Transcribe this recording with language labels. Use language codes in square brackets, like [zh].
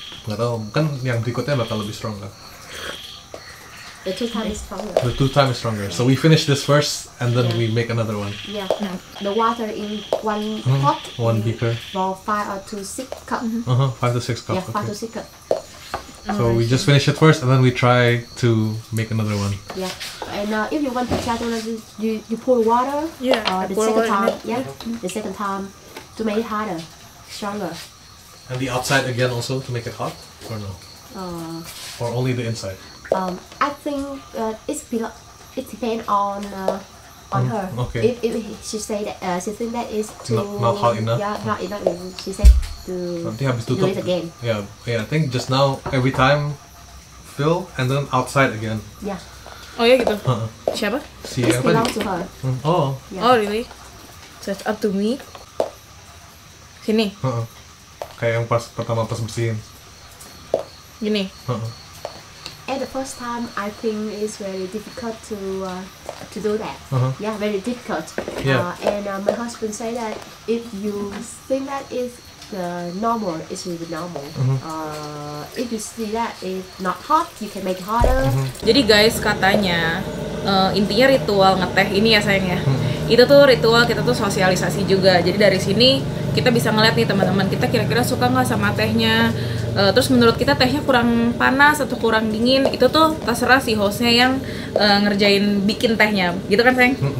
[id] Gak tau, kan yang berikutnya bakal lebih strong kan? [en] The two times stronger. So we finish this first, and then we make another one. Yeah. The water in one pot. One beaker. About 5 to 6 cups. Uh-huh. 5 to 6 cups. Yeah, 5 to 6 cups. So we just finish it first, and then we try to make another one. Yeah. And if you want to try another, you pour water. Yeah. The second time. Yeah. Mm-hmm. The second time to make it harder, stronger. And the outside again also to make it hot or no? Or only the inside? I think it depends on on her. Okay. If she say that she think that is too not hot enough. Yeah, not enough. She said to [id] nanti habis tutup, [en] do it again. Yeah. I think just now every time fill and then outside again. Yeah. Oh yeah, [id] gitu. Siapa? Si apa? [en] It belongs to her. Oh. Yeah. Oh really? So it's up to me. [id] Sini. Kayak yang pas pertama pas bersihin. Gini. [en] At the first time, I think it's very difficult to do that. Uh-huh. Yeah, very difficult. Yeah. And my husband say that if you think that is the normal, it's really normal. Uh-huh. If you see that it's not hot, you can make it hotter. Uh-huh. [id] Jadi guys, katanya intinya ritual ngeteh ini ya sayang ya. Itu tuh ritual kita tuh sosialisasi juga. Jadi dari sini kita bisa ngeliat nih teman-teman kita kira-kira suka nggak sama tehnya. Terus menurut kita tehnya kurang panas atau kurang dingin, itu tuh terserah si hostnya yang ngerjain bikin tehnya, gitu kan sayang?